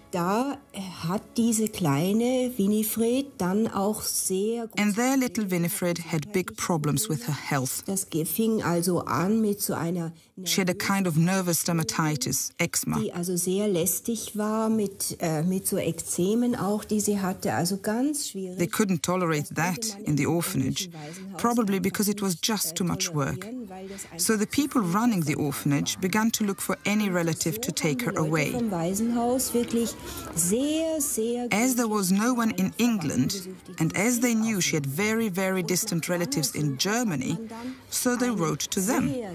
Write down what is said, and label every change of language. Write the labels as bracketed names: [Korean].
[German] Da hat diese kleine Winifred dann auch sehr. [English] And there, little Winifred had big problems with her health. [German] Das fing also an mit so einer. [English] She had a kind of nervous dermatitis, eczema. [German] Die also sehr lästig war mit so Ekzemen auch, die sie hatte, also ganz schwierig. [English] They couldn't tolerate that in the orphanage, probably because it was just too much work. So the people running the orphanage began to look for any relative to take her away. As there was no one in England, and as they knew she had very, very distant relatives in Germany, so they wrote to them.